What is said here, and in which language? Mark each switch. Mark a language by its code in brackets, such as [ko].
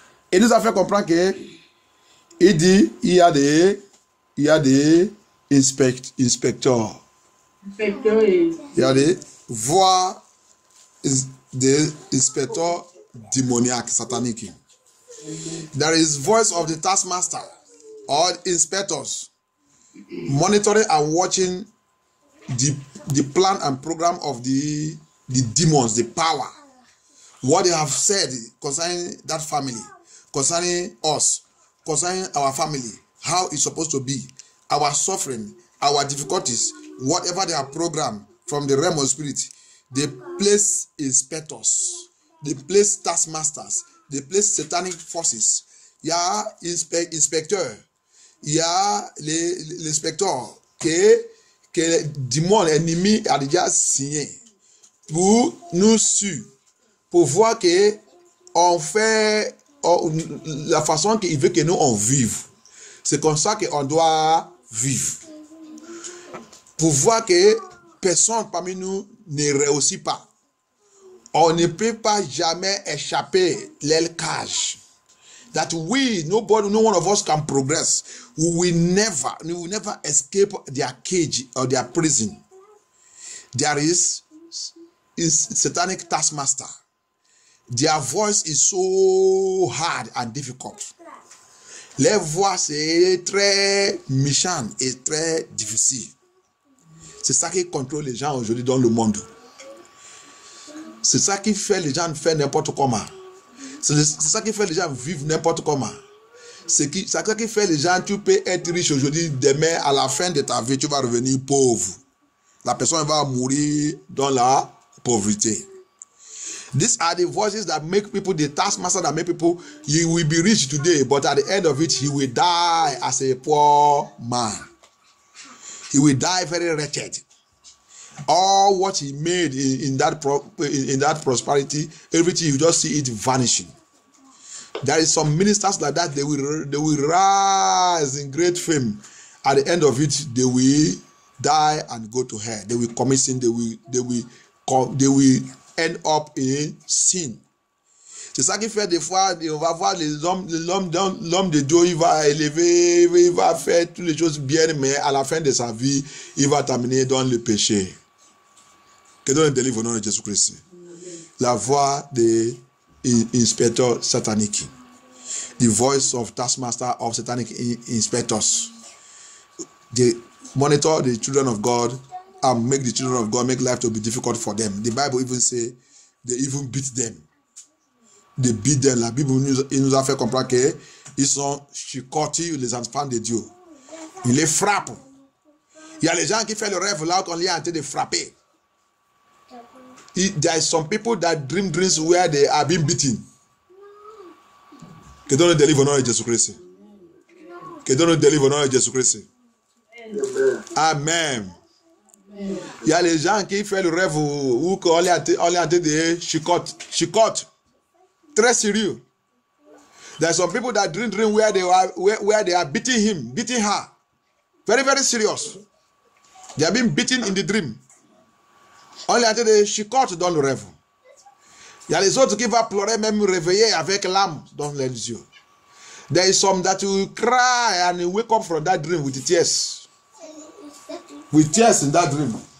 [fr] Il nous a fait comprendre que il dit il y a des inspecteurs. Il y a des voix des inspecteurs démoniaques, sataniques. [en] There is voice of the taskmaster or inspectors monitoring and watching the plan and program of the demons, the power. What they have said concerning that family, concerning us, concerning our family, how it's supposed to be, our suffering, our difficulties, whatever they have programmed from the realm of spirit, they place inspectors, they place taskmasters, they place satanic forces. [fr] Yeah, inspecteur, yeah, l'inspecteur, que démon ennemi a déjà signé pour nous suivre. Pour voir que on fait la façon qu'il veut que nous on vive, c'est comme ça qu'on doit vivre. Pour voir que personne parmi nous ne réussit pas, on ne peut pas jamais échapper leur cage. [en] That we nobody, no one of us can progress. We will never escape their cage or their prison. There is satanic taskmaster. Their voice is so hard and difficult. [fr] Leur voix, c'est très méchante et très difficile. C'est ça qui contrôle les gens aujourd'hui dans le monde. C'est ça qui fait les gens faire n'importe comment. C'est ça qui fait les gens vivre n'importe comment. C'est ça qui fait les gens, tu peux être riche aujourd'hui, demain, à la fin de ta vie, tu vas revenir pauvre. La personne va mourir dans la pauvreté. [en] These are the voices that make people, the taskmaster that make people, he will be rich today, but at the end of it, he will die as a poor man. He will die very wretched. All what he made in that prosperity, everything, you just see it vanishing. There is some ministers like that, they will rise in great fame. At the end of it, they will die and go to hell. They will commit sin, they will end up in sin. [fr] C'est ça qui fait des fois, on va voir l'homme de Dieu, il va élever, il va faire toutes les choses bien, mais à la fin de sa vie, il va terminer dans le péché. Que Dieu nous délivre au nom de Jésus-Christ. La voix des inspecteurs sataniques. [en] The voice of taskmaster of satanic inspectors. They monitor the children of God. And make the children of God make life to be difficult for them. The Bible even say they even beat them. They beat them. [fr] La Bible nous a fait comprendre que ils sont chicotés, les enfants de Dieu. Ils les frappent. Il y a les gens qui font le rêve là qu'on les a été frappés. [en] There are some people that dream dreams where they are being beaten. [fr] Que Dieu nous délivre au nom de Jésus-Christ. Que Dieu nous délivre au nom de Jésus-Christ. Amen. Il y a les gens qui font le rêve où on est en train de chicote. Très sérieux. [en] There are some people that dream where they are beating him, beating her. Very, very serious. They are being beaten in the dream. [fr] On est en train de chicote dans le rêve. Il y a les autres qui vont pleurer, même réveiller avec l'âme dans les yeux. [en] There is some that will cry and wake up from that dream with tears. With tears in that dream.